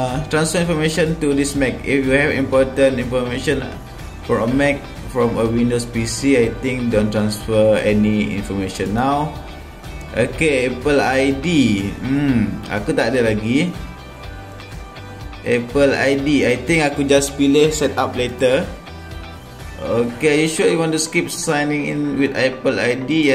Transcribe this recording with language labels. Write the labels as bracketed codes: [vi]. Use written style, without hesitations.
[en] Transfer information to this Mac. If you have important information for a Mac from a Windows PC, I think don't transfer any information now. Okay, Apple ID. [ms] Aku tak ada lagi Apple ID. [en] I think [ms] aku [en] just [ms] pilih [en] set up later. Okay, are you sure you want to skip signing in with Apple ID?